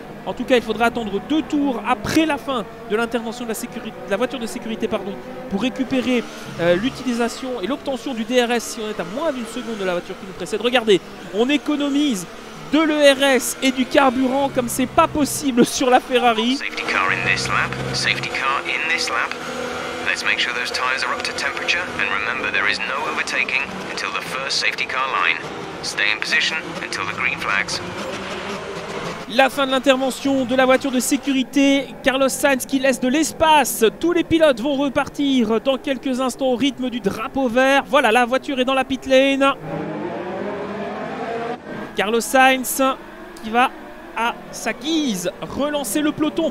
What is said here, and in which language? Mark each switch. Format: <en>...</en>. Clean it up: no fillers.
<fr>En tout cas, il faudra attendre 2 tours après la fin de l'intervention de la, de la voiture de sécurité pardon, pour récupérer l'utilisation et l'obtention du DRS si on est à moins d'une seconde de la voiture qui nous précède. Regardez, on économise de l'ERS et du carburant comme c'est pas possible sur la Ferrari.</fr> <en>Safety car in this lap. Safety car in this lap. Let's make sure those tires are up to temperature and remember there is no overtaking until the first safety car line. Stay in position until the green flags.</en> <fr>La fin de l'intervention de la voiture de sécurité, Carlos Sainz qui laisse de l'espace. Tous les pilotes vont repartir dans quelques instants au rythme du drapeau vert. Voilà, la voiture est dans la pit lane. Carlos Sainz qui va à sa guise relancer le peloton.</fr>